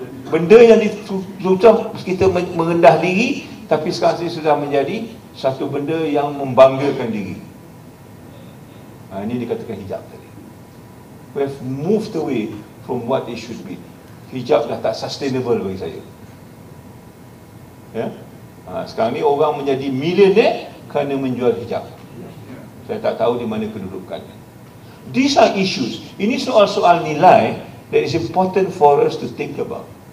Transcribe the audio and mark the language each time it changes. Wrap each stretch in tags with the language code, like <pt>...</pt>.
<ms>Benda yang ditutup, kita merendah diri. Tapi sekarang ini sudah menjadi satu benda yang membanggakan diri. Ha, ini dikatakan hijab tadi.</ms> <en>We have moved away from what it should be.</en> <ms>Hijab dah tak sustainable bagi saya. Ya? Ha, sekarang ni orang menjadi millionaire kerana menjual hijab. Saya tak tahu di mana kedudukannya.</ms> <en>These are issues.</en> <ms>Ini soal-soal nilai</ms> <en>that is important for us to think about.</en>